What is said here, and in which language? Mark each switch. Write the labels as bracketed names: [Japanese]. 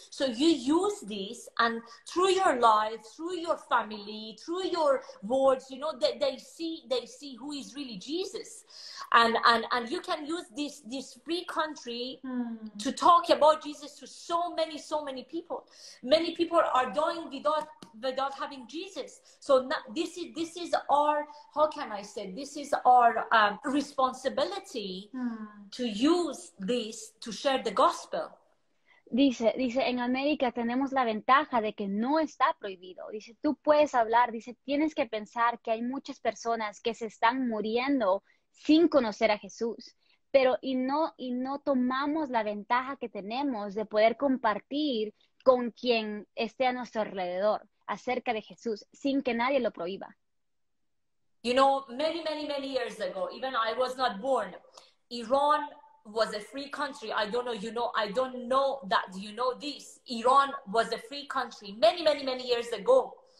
[English] So you use this, and through your life, through your family, through your words, you know, they see who is really Jesus, and you can use this free country to talk about Jesus to so many people. Many people are dying without having Jesus. So this is our responsibility to use this to share the gospel. [Spanish] Dice, en América tenemos la ventaja de que no está prohibido. Dice, tú puedes hablar. Dice, tienes que pensar que hay muchas personas que se están muriendo sin conocer a Jesús. Pero y no tomamos la ventaja que tenemos de poder compartir con quien esté a nuestro alrededor acerca de Jesús sin que nadie lo prohíba. [English] You know, many, many, many years ago, even I was not born, Iran was a free country. I don't know that you know this. Iran was a free country many, many, many years ago.